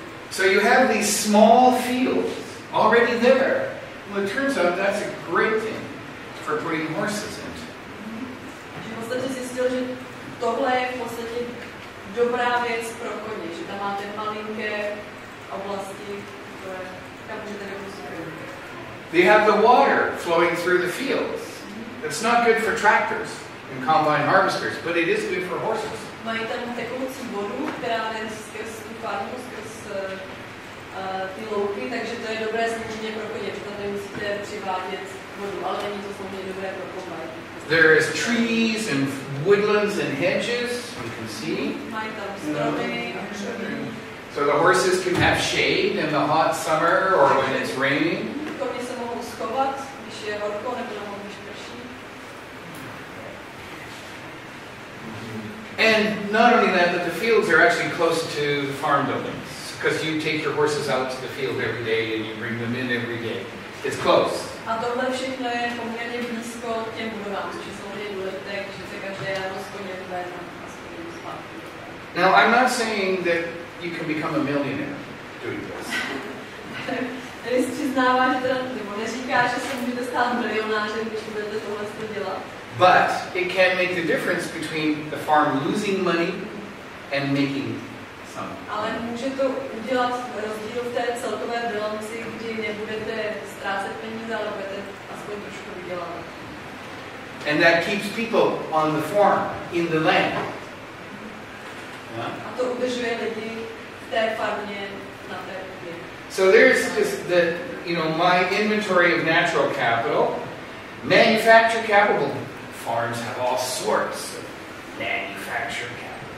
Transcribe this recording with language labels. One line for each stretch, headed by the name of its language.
English: So you have these small fields already there. Well, it turns out that's a great thing for putting horses into. Mm-hmm.
Czech: Vlastně zjistil, že tohle je v podstatě dobrá věc pro koně, že tam máte malinké oblasti, které můžete nemusíte.
English: You have the water flowing through the fields. Mm-hmm. It's not good for tractors and combine harvesters, but it is good for horses.
Czech: Mají tam tekoucí vodu, která jde skrz tu farmu, skrz ty louky, takže to je dobré samozřejmě pro koně, že tam nemusíte přivádět vodu, ale není to samozřejmě dobré pro kombajn.
English: There is trees and woodlands and hedges, you can see.
Czech: Mají tam stromy a křoví.
English: So the horses can have shade in the hot summer or when it's raining.
Czech: Koně se mohou schovat, když je horko nebo na když prší.
English: And not only that, but the fields are actually close to farm buildings. Because you take your horses out to the field every day and you bring them in every day. It's close.
Czech: A tohle všechno je poměrně blízko těm budovám, což je samozřejmě důležité, že se každé ráno s koněm vezme a s koněm zpátky.
English: Now, I'm not saying that you can become a millionaire doing this.
Czech: Tady si přiznává, že teda, nebo neříká, že se můžete stát milionářem, když budete tohle to dělat.
English: But it can make the difference between the farm losing money and making
Czech: ale může to udělat rozdíl v té celkové bilanci, kdy nebudete ztrácet peníze, ale budete aspoň trošku vydělávat.
English: And that keeps people on the farm, in the land.
Czech: A to udržuje lidi v té farmě, na té půdě.
English: So there's just the, you know, my inventory of natural capital. Manufactured capital. Farms have all sorts of manufactured capital.